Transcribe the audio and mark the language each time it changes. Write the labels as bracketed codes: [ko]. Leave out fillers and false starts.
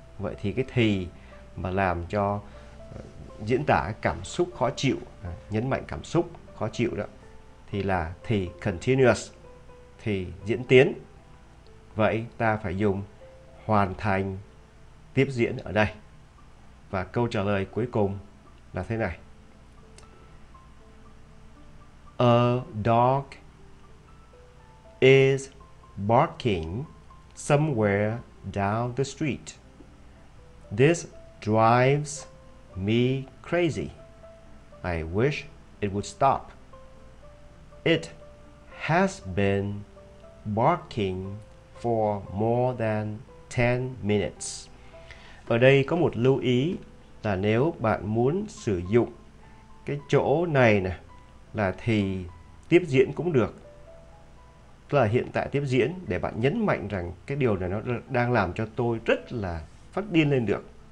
[vi] Vậy thì cái thì mà làm cho diễn tả cảm xúc khó chịu, nhấn mạnh cảm xúc khó chịu đó, thì là thì continuous, thì diễn tiến. Vậy ta phải dùng hoàn thành tiếp diễn ở đây. Và câu trả lời cuối cùng là thế này. [en] A dog is barking somewhere down the street. This drives me crazy. I wish it would stop. It has been barking for more than 10 minutes. [vi] Ở đây có một lưu ý là nếu bạn muốn sử dụng cái chỗ này nè, là thì tiếp diễn cũng được. Tức là hiện tại tiếp diễn để bạn nhấn mạnh rằng cái điều này nó đang làm cho tôi rất là phát điên lên được.